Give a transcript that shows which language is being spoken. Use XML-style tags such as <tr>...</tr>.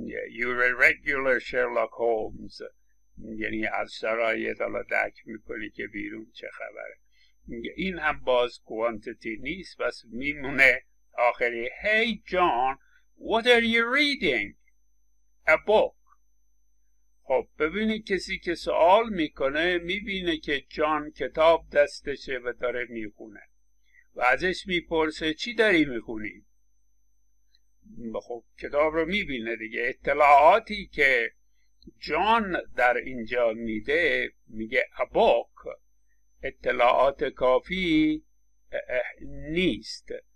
<en>You're a regular Sherlock Holmes.</en> <fa>یعنی از شرایط حالا دک میکنی که بیرون چه خبره. این هم باز کوانتیتی نیست. بس میمونه آخری.</fa> <en>Hey John, what are you reading? A book.</en> <fa>خب ببینی کسی که سوال میکنه میبینه که جان کتاب دستشه و داره میخونه و ازش میپرسه چی داری میخونی؟ خب کتاب رو میبینه دیگه. اطلاعاتی که جان در اینجا میده، میگه</fa> <en>a book،</en> <fa>اطلاعات کافی نیست.</fa>